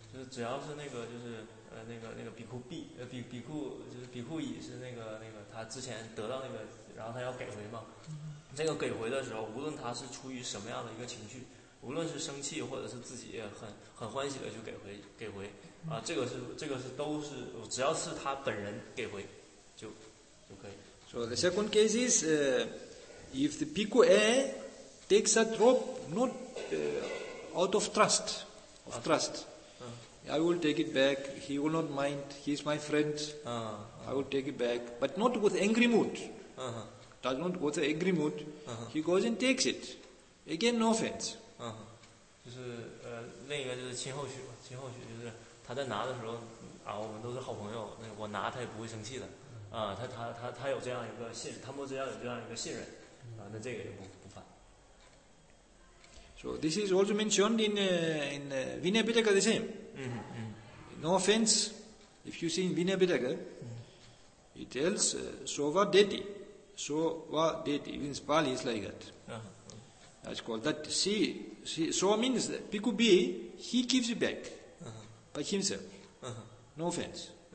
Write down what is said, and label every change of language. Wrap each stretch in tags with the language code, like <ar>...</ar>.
<zh>Just 无论是生气或者是自己很欢喜的去给回，这个是都是只要是他本人给回，就可以。</zh> <en>So So the second case is if the piku e takes a drop not out of trust, of trust. I will take it back. He will not mind. He is my friend. I will take it back, but not with angry mood. Does not go with angry mood. He goes and takes it. Again, no offense.</en> <zh>就是另一个就是亲后许吧，亲后许就是他在拿的时候啊，我们都是好朋友，那我拿他也不会生气的啊。他有这样一个信，他们这样有这样一个信任啊，那这个也不犯。</zh> <en>So this is also mentioned in Vinaya Pitaka the same. No offense, if you see in Vinaya Pitaka, it tells sova deti, sova deti. Even Pali is like that. That's called that. See, sova means that Bhikkhu B, he gives it back by himself. No offense.</en>